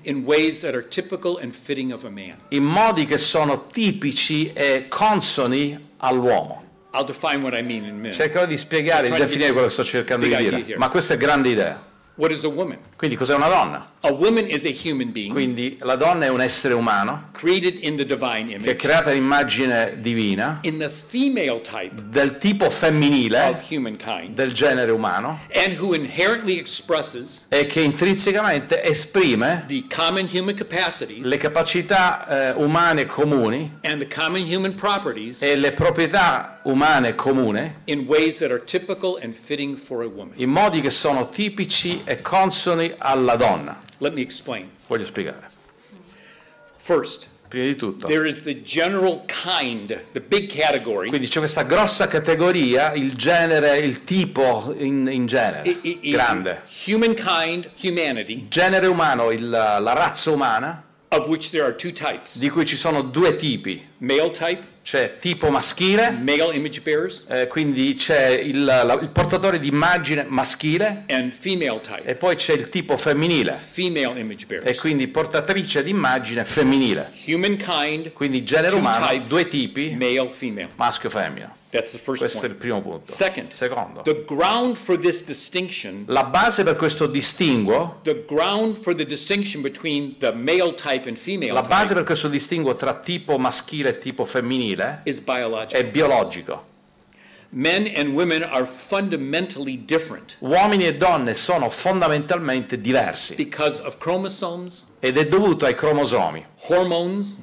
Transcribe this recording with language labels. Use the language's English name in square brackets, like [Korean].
[English] in ways that are typical and fitting of a man. [Italian] In modi che sono tipici e consoni all'uomo. [English] I'll define what I mean in a minute. [Italian] Cercherò di spiegare e definire quello che sto cercando di dire, ma questa è grande idea. [English] What is a woman? [Italian] Quindi cos'è una donna? [English] A woman is a human being. [Italian] Quindi la donna è un essere umano. [English] Created in the divine image. [Italian] Che è creata l'immagine divina. [English] In the female type. [Italian] Del tipo femminile. [English] Of humankind. [Italian] Del genere umano. [English] And who inherently expresses. [Italian] E che intrinsecamente esprime. [English] The common human capacities. [Italian] Le capacità umane comuni. [English] And the common human properties. [Italian] E le proprietà umane comune. [English] In ways that are typical and fitting for a woman. [Italian] In modi che sono tipici e consoni alla donna. [English] Let me explain. [Italian] Voglio spiegare. [English] First, [Italian] prima di tutto, [English] there is the general kind, the big category. [Italian] Quindi c'è questa grossa categoria, il genere, il tipo in genere, grande. [English] Humankind, humanity. [Italian] Genere umano, la razza umana. [English] Of which there are two types. [Italian] Di cui ci sono due tipi. [English] Male type. [Italian] C'è tipo maschile, [English] male image bearers, [Italian] quindi c'è il portatore di immagine maschile, [English] and female type, [Italian] e poi c'è il tipo femminile, [English] female image bearers, [Italian] e quindi portatrice di immagine femminile. [English] Humankind, [Italian] quindi genere umano, [English] types, [Italian] due tipi, [English] male, female, [Italian] maschio, femmina. [English] That's the first [Italian] Questo [English] point. [Italian] È il primo punto. [English] Second, [Italian] secondo, [English] the ground for this distinction, [Italian] la base per questo distinguo, [English] the ground for the distinction between the male type and female, [Italian] la base [English] type, [Italian] per questo distinguo tra tipo maschile e tipo femminile, [English] is biological. [Italian] È biologico. [English] Men and women are fundamentally different. [Italian] Uomini e donne sono fondamentalmente diversi. [English] Because of chromosomes, [Italian] ed è dovuto ai cromosomi, [English] hormones,